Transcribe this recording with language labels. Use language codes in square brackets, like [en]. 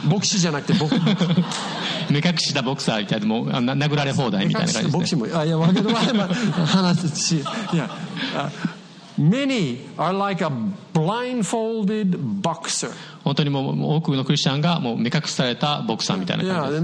[ja] ボクシーじゃなくて、ボクサー。目隠ししたボクサーみたいな、もう殴られ放題みたいな感じです、ね。ボクシーも、いや、わけでもない。話すし。いや。 [en] Many are like a blindfolded boxer. [ja] 本当にもう多くのクリスチャンがもう目隠されたボクサーみたいな感じです。